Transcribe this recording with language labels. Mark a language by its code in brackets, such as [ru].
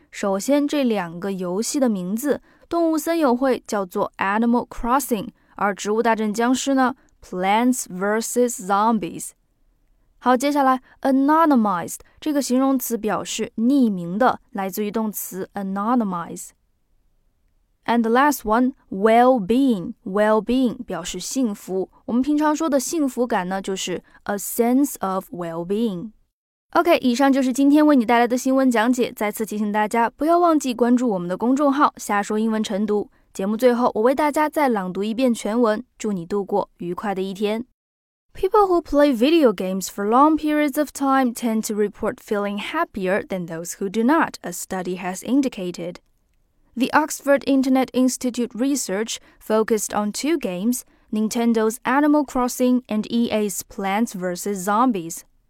[zh] 首先这两个游戏的名字，动物森友会叫做 Animal Crossing， 而植物大战僵尸呢 Plants vs. Zombies。好，接下来 Anonymized 这个形容词表示匿名的，来自于动词 Anonymize。 [en] And the last one， [zh] Well-being， Well-being 表示幸福，我们平常说的幸福感呢就是 A sense of well-being。 OK， 以上就是今天为你带来的新闻讲解。再次提醒大家，不要忘记关注我们的公众号“瞎说英文晨读”。节目最后，我为大家再朗读一遍全文，祝你度过愉快的一天。 [en] People who play video games for long periods of time tend to report feeling happier than those who do not, a study has indicated. The Oxford Internet Institute research focused on two games, Nintendo's Animal Crossing and EA's Plants vs. Zombies.